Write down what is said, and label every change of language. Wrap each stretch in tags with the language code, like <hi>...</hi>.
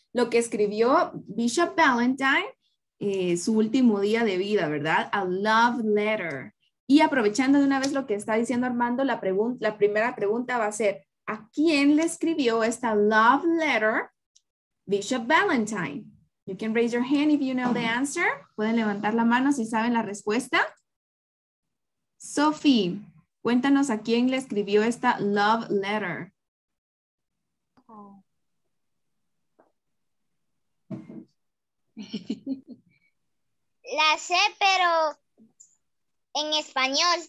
<es>Lo que escribió Bishop Valentine, su último día de vida, ¿verdad?</es> <en>A love letter.</en> <es>Y aprovechando de una vez lo que está diciendo Armando, la primera pregunta va a ser, ¿a quién le escribió esta love letter Bishop Valentine?</es> <en>You can raise your hand if you know the answer.</en> <es>Pueden levantar la mano si saben la respuesta. Sophie, cuéntanos a quién le escribió esta love letter. La sé, pero en español.</es>